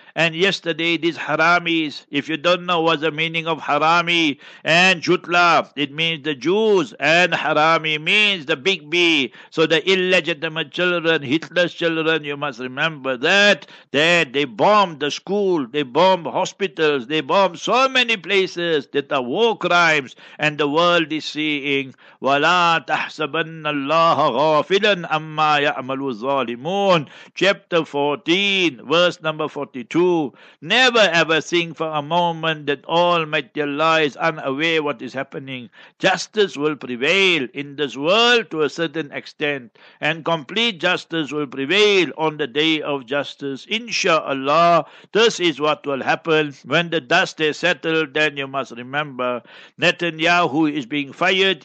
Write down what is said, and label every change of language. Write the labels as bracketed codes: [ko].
[en] And yesterday, these haramis, if you don't know what's the meaning of harami and jutla, it means the Jews, and harami means the big B. So the illegitimate children, Hitler's children, you must remember that they bombed the school, they bombed hospitals, they bombed so many places that are war crimes, and the world is seeing. [ar] وَلَا تَحْسَبَنَّ اللَّهَ غَافِلًا أَمَّا يَعْمَلُ الظَّالِمُونَ, [en] chapter 14, verse number 42. Never ever think for a moment that Almighty Allah is unaware what is happening. Justice will prevail in this world to a certain extent, and complete justice will prevail on the day of justice. Insha'Allah, this is what will happen. When the dust has settled, then you must remember, Netanyahu is being fired.